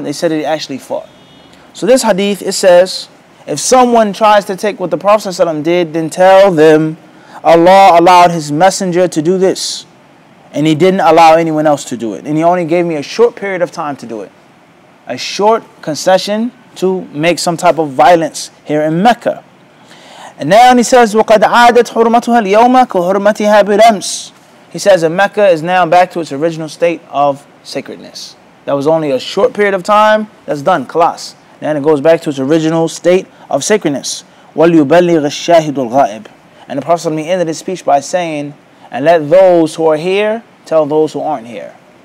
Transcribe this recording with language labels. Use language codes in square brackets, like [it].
[en] They said that he actually fought. So this hadith, it says, if someone tries to take what the Prophet ﷺ did, then tell them, Allah allowed his messenger to do this. And he didn't allow anyone else to do it. And he only gave me a short period of time to do it. A short concession to make some type of violence here in Mecca. And now he says, [ar] وَقَدْ عَادَتْ حُرْمَتُهَا الْيَوْمَ كُهُرْمَتِهَا بِرَمْسِ. [en] He says that Mecca is now back to its original state of sacredness. That was only a short period of time. That's done. Khalas. Then it goes back to its original state of sacredness. [ar] وَلْيُبَلِّغَ الشَّاهِدُ الْغَائِبِ. [en] And the Prophet ﷺ ended his speech by saying, and let those who are here tell those who aren't here.